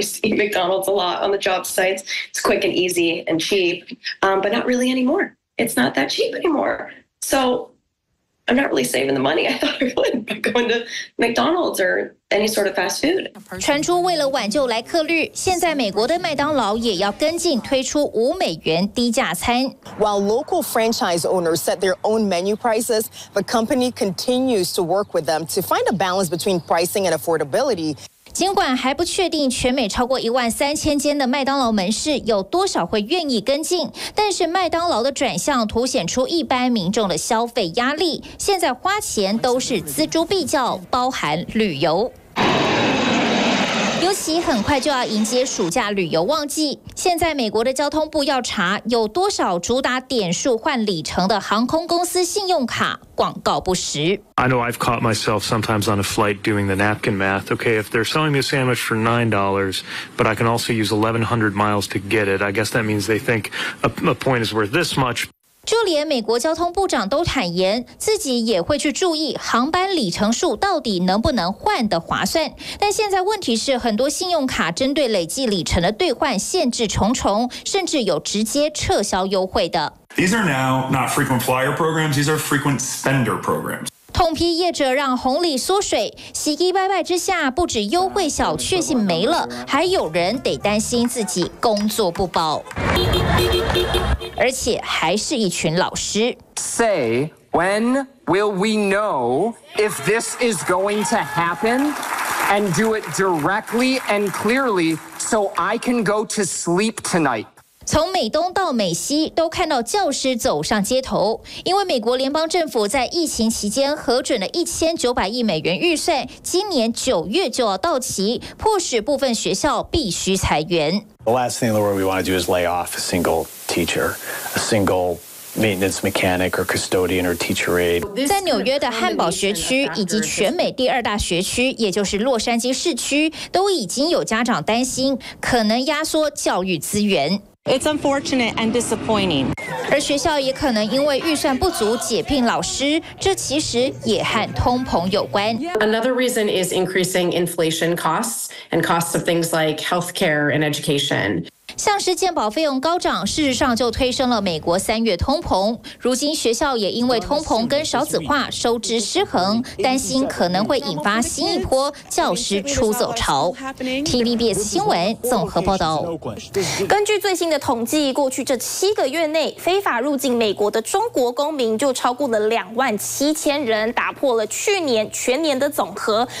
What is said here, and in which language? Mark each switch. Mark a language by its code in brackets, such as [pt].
[en] eat McDonald's a lot on the job sites. It's quick and easy and cheap, but not really anymore. It's not that cheap anymore. So I'm not really saving the money I thought I would by going to McDonald's or any sort of fast food. [zh] 传出为了挽救莱克率，现在美国的麦当劳也要跟进推出$5低价餐。 [en] While local franchise owners set their own menu prices, the company continues to work with them to find a balance between pricing and affordability. [zh] 尽管还不确定全美超过13000间的麦当劳门市有多少会愿意跟进，但是麦当劳的转向凸显出一般民众的消费压力，现在花钱都是锱铢必较，包含旅游。尤其很快就要迎接暑假旅游旺季，现在美国的交通部要查有多少主打点数换里程的航空公司信用卡广告不实。 [en] I know I've caught myself sometimes on a flight doing the napkin math. Okay, if they're selling me a sandwich for $9, but I can also use 1,100 miles to get it, I guess that means they think a point is worth this much. [zh] 就连美国交通部长都坦言，自己也会去注意航班里程数到底能不能换得划算。但现在问题是，很多信用卡针对累计里程的兑换限制重重，甚至有直接撤销优惠的。 [en] These are now not frequent flyer programs; these are frequent spender programs. [zh] 痛批业者让红利缩水，喜提拜拜之下，不止优惠小确幸没了，还有人得担心自己工作不保。而且还是一群老师。 [en] Say when will we know if this is going to happen, and do it directly and clearly so I can go to sleep tonight. [zh] 从美东到美西都看到教师走上街头，因为美国联邦政府在疫情期间核准了$1,900亿预算，今年9月就要到期，迫使部分学校必须裁员。 [en] The last thing in the world we want to do is lay off a single teacher, a single maintenance mechanic or custodian or teacher aide. [zh] 在纽约的汉堡学区以及全美第二大学区，也就是洛杉矶市区，都已经有家长担心可能压缩教育资源。 [en] It's unfortunate and disappointing. [zh] 而学校也可能因为预算不足解聘老师，这其实也和通膨有关。 [en] Another reason is increasing inflation costs and costs of things like healthcare and education. [zh] 像是健保费用高涨，事实上就推升了美国三月通膨。如今学校也因为通膨跟少子化收支失衡，担心可能会引发新一波教师出走潮。 TVBS 新闻综合报道。根据最新的统计，过去这7个月内，非法入境美国的中国公民就超过了27000人，打破了去年全年的总和。